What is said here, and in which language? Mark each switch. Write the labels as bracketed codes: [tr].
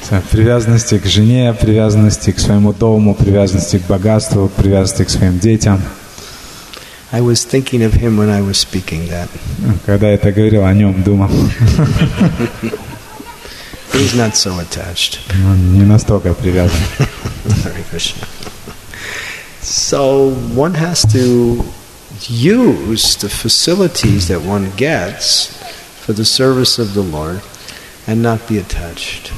[ru] Привязанности к жене, привязанности к своему дому, привязанности к богатству, привязанности к своим детям. [en] I was thinking of him when I was speaking that. [ru] Когда я это говорил, о нем думал. [en] He's not so attached. [ru] Он не настолько привязан. [sa] Hare Krishna. [en] So one has to use the facilities that one gets for the service of the Lord and not be attached.